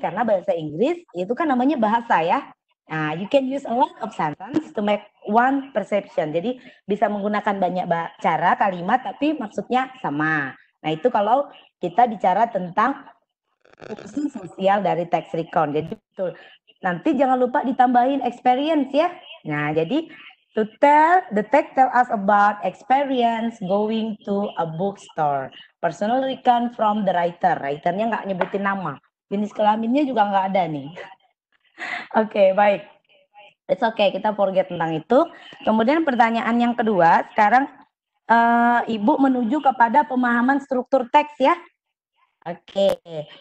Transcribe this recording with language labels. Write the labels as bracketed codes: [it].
[id] Karena bahasa Inggris, itu kan namanya bahasa ya. Nah, [en] you can use a lot of sentence to make one perception. [id] Jadi, bisa menggunakan banyak cara, kalimat, tapi maksudnya sama. Nah, itu kalau kita bicara tentang fungsi sosial dari text recount. Jadi, betul. Nanti jangan lupa ditambahin experience ya. Nah, jadi [en] to tell, the text tell us about experience going to a bookstore. Personal recount from the writer. [id] Writernya nggak nyebutin nama. Jenis kelaminnya juga nggak ada nih. Oke, okay, baik. [en] It's okay, [id] kita forget tentang itu. Kemudian pertanyaan yang kedua. Sekarang Ibu menuju kepada pemahaman struktur teks ya. Oke, okay.